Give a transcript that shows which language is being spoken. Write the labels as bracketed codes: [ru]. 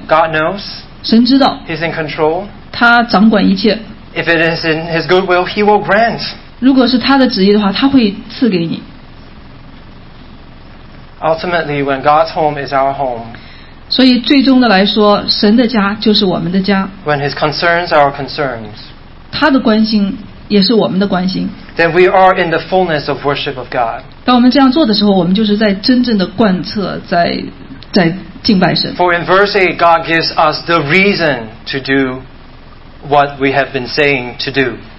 [en] God knows. [zh] 神知道。 [en] He's in control. [zh] 他掌管一切。 [en] If it is in His good will, He will grant. [zh] 如果是他的旨意的话，他会赐给你。 [en] Ultimately, when God's home is our home. [zh] 所以最终的来说，神的家就是我们的家。 [en] When His concerns are our concerns. [zh] 他的关心也是我们的关心。 [en] Then we are in the fullness of worship of God. [zh] 当我们这样做的时候，我们就是在真正的贯彻在敬拜神。 [en] For in verse 8, God gives us the reason to do. What we have been saying to do.